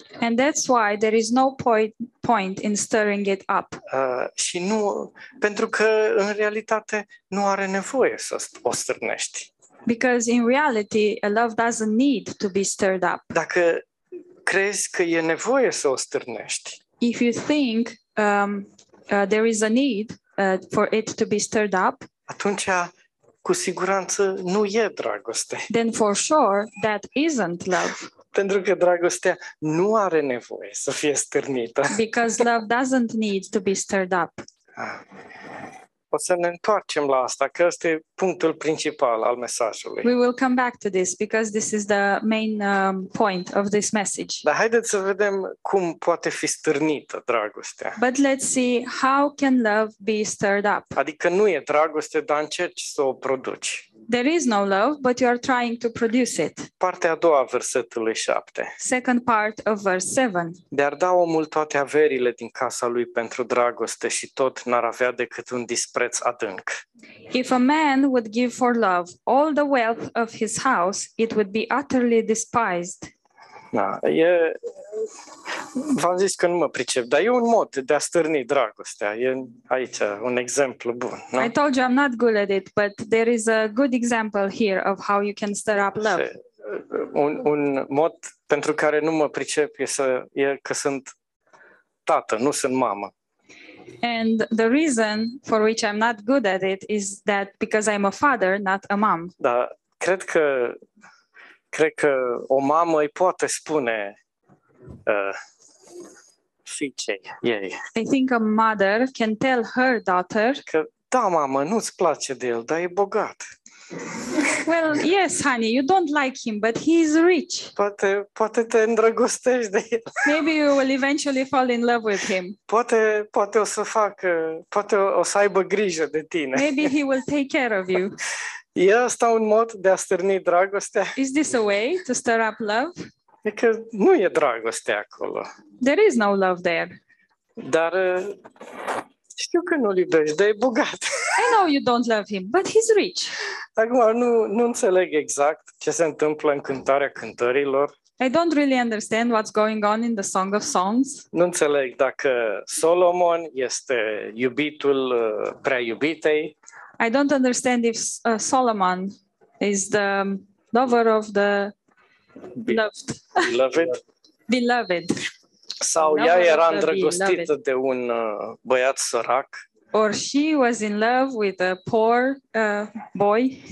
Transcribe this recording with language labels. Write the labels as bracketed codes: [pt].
[en] And that's why there is no point in stirring it up. [ro] Și nu, pentru că în realitate nu are nevoie să o stârnești. [en] Because in reality, a love doesn't need to be stirred up. [ro] Dacă crezi că e nevoie să o stârnești. [en] If you think there is a need for it to be stirred up. [ro] Atunci, cu siguranță, nu e dragoste. [en] Then for sure, that isn't love. [ro] Pentru că dragostea nu are nevoie să fie stârnită. [en] Because love doesn't need to be stirred up. [ro] O să ne întoarcem la asta, că ăsta e punctul principal al mesajului. [en] We will come back to this, because this is the main point of this message. [ro] Dar haideți să vedem cum poate fi stârnită dragostea. [en] But let's see, how can love be stirred up? [ro] Adică nu e dragoste, dar încerci să o produci. [en] there is no love, but you are trying to produce it. [ro] Partea a doua a versetului 7. [en] Second part of verse 7. [ro] De-ar da omul toate averile din casa lui pentru dragoste și tot n-ar avea decât un dispreț adânc. [en] If a man would give for love all the wealth of his house, it would be utterly despised. [ro] Da, e... V-am zis că nu mă pricep, dar e un mod de a stârni dragostea. E aici un exemplu bun. Nu? [en] I told you I'm not good at it, but there is a good example here of how you can stir up love. [ro] Un mod pentru care nu mă pricep e că sunt tată, nu sunt mamă. [en] And the reason for which I'm not good at it is that because I'm a father, not a mom. [ro] Da, cred că o mamă îi poate spune fiicei ei. [en] I think a mother can tell her daughter [ro] că, da, mamă, nu-ți place de el, dar e bogat. [en] Well, yes, honey, you don't like him, but he's rich. [ro] Poate te îndrăgostești de el. [en] Maybe you will eventually fall in love with him. [ro] Poate o să aibă grijă de tine. [en] Maybe he will take care of you. [ro] E asta un mod de a stârni dragostea? [en] Is this a way to stir up love? [ro] E că nu e dragoste acolo. [en] There is no love there. [ro] Dar știu că nu-l iubești, dar e bogat. [en] I know you don't love him, but he's rich. [ro] Acum nu înțeleg exact ce se întâmplă în Cântarea Cântărilor. [en] I don't really understand what's going on in the Song of Songs. [ro] Nu înțeleg dacă Solomon este iubitul prea iubitei. [en] I don't understand if Solomon is the lover of the loved. Beloved. [ro] Sau ea era îndrăgostită de un băiat sărac. [en] Or she was in love with a poor boy.